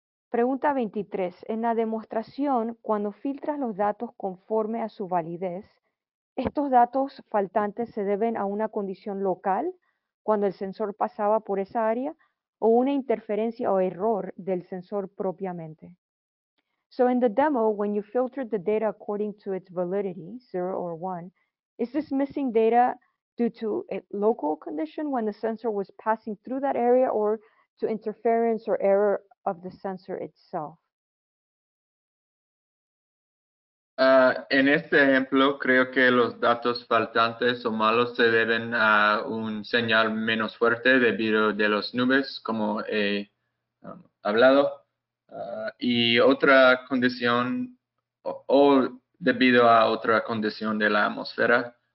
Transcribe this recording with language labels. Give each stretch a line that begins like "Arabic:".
Spanish: Pregunta 23. En la demostración, cuando filtras los datos conforme a su validez, ¿estos datos faltantes se deben a una condición local, cuando el sensor pasaba por esa área, o una interferencia o error del sensor propiamente?
English: So in the demo, when you filtered the data according to its validity, 0 or 1, is this missing data due to a local condition when the sensor was passing through that area, or to interference or error of the sensor itself?
Spanish: En este ejemplo, creo que los datos faltantes o malos se deben a un señal menos fuerte debido a las nubes, como he hablado, y otra condición o debido a otra condición de la atmósfera.